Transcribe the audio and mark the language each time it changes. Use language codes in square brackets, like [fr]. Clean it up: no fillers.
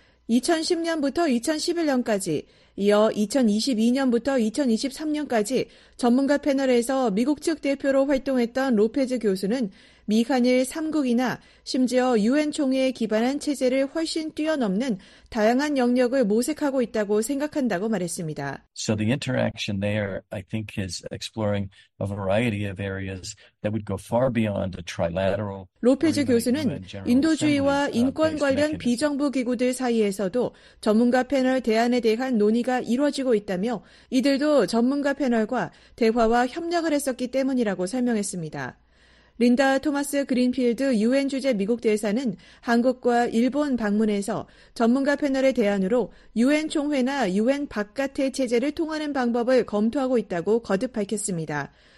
[ko] 2010년부터 2011년까지 이어 2022년부터 2023년까지 전문가 패널에서 미국 측 대표로 활동했던 로페즈 교수는 미 한일 3국이나 심지어 유엔 총회에 기반한 체제를 훨씬 뛰어넘는 다양한 영역을 모색하고 있다고 생각한다고 말했습니다. [en] So the interaction there, I think, is exploring a variety of areas that would go far beyond a trilateral. [ko] 로페즈 교수는 인도주의와 인권 관련 비정부 기구들 사이에서도 전문가 패널 대안에 대한 논의가 이루어지고 있다며 이들도 전문가 패널과 대화와 협력을 했었기 때문이라고 설명했습니다. 린다 토마스 그린필드 유엔 주재 미국 대사는 한국과 일본 방문에서 전문가 패널의 대안으로 유엔 총회나 유엔 바깥의 체제를 통하는 방법을 검토하고 있다고 거듭 밝혔습니다.